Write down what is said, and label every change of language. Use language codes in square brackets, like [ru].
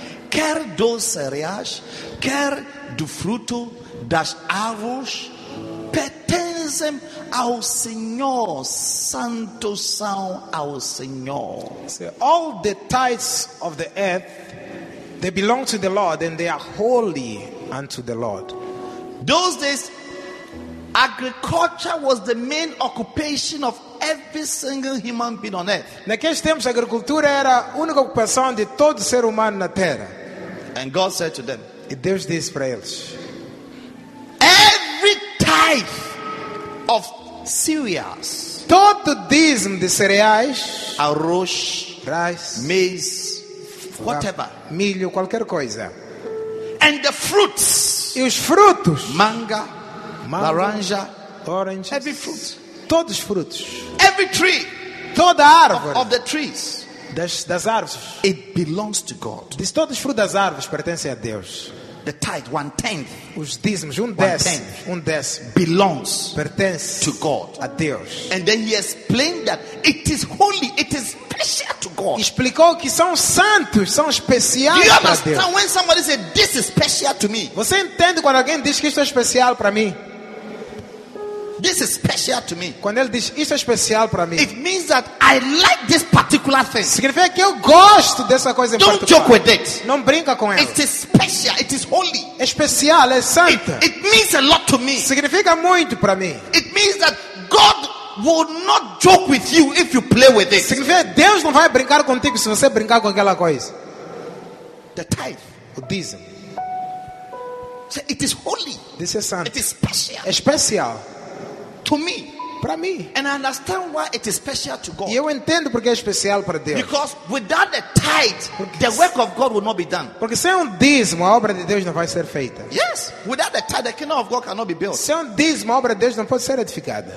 [pt] quer dos cereais, quer do fruto das árvores, pertencem ao Senhor, santo são ao Senhor. [en] So all the tithes of the earth, they belong to the Lord and they are holy unto the Lord. Those days, agriculture was the main occupation of every single human being on earth. [pt] Naqueles tempos, a agricultura era a única ocupação de todo ser humano na terra. [en] And God said to them, [pt] e Deus disse para eles, [en] every tithe of cereals, [pt] todo dízimo de cereais, arroz, [en] rice, maize, whatever, [pt] milho, qualquer coisa, [en] and the fruits, [pt] e os frutos, manga, [en] mango, [pt] laranja, [en] orange, every fruit, [pt] todos os frutos, [en] every tree, [pt] toda árvore, [en] of the trees, [pt] das árvores, [en] it belongs to God. [pt] Diz, todos os frutos das árvores pertencem a Deus. [en] The tithe, one tenth, [pt] os dízimos, um décimo, [en] belongs, [pt] pertence [en] to God, [pt] a Deus. [en] And then he explained that it is holy, it is special to God. [pt] Explicou que são santos, são especiais. [en] Do you understand when somebody says this is special to me? [pt] Você entende quando alguém diz que isto é especial para mim? [en] This is special to me. [pt] Quando ele diz isto é especial para mim, [en] it means that I like this particular thing. [pt] Significa que eu gosto dessa coisa em [en] particular. Don't joke with it. [pt] Não brinca com ela. [en] It is special. It is holy. [pt] É especial. É santa. [en] It means a lot to me. [pt] Significa muito para mim. [en] It means that God will not joke with you if you play with it. [pt] Significa que Deus não vai brincar contigo se você brincar com aquela coisa. [en] The tithe. [pt] O dízimo. [en] So it is holy. This is santo. It is special. [pt] É especial. [en] To me, [pt] para mim, [en] and I understand why it is special to God. [pt] E eu entendo porque é especial para Deus. [en] Because without the tithe, the work of God will not be done. [pt] Porque sem um dízimo, a obra de Deus não vai ser feita. [en] Yes, without the tithe, the kingdom of God cannot be built. [pt] Sem um dízimo, a obra de Deus não pode ser edificada.